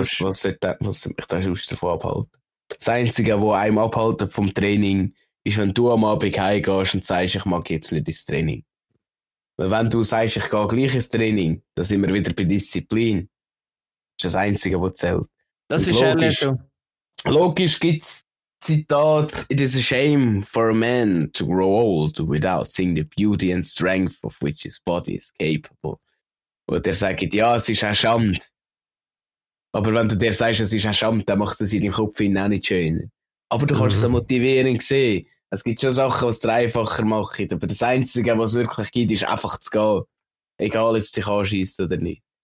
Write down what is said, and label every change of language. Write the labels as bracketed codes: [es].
[de] Was mich da schon davon abhält? Das Einzige, was einem abhält vom Training, ist, wenn du am Abend heimgehst und sagst, ich mag jetzt nicht ins Training. Weil wenn du sagst, ich gehe gleich ins Training, dann sind wir wieder bei Disziplin. Das ist das Einzige, was zählt. Das ist ehrlich. Logisch gibt es Zitat: [en] It is a shame for a man to grow old without seeing the beauty and strength of which his body is capable. [de] Und er sagt, ja, es ist ein Schand. Aber wenn du dir sagst, es ist ein Schand, dann macht es in deinem Kopf auch nicht schöner. Aber du kannst es motivierend sehen. Es gibt schon Sachen, die es dreifacher machen. Aber das Einzige, was es wirklich gibt, ist einfach zu gehen. Egal, ob es dich anschießt oder nicht.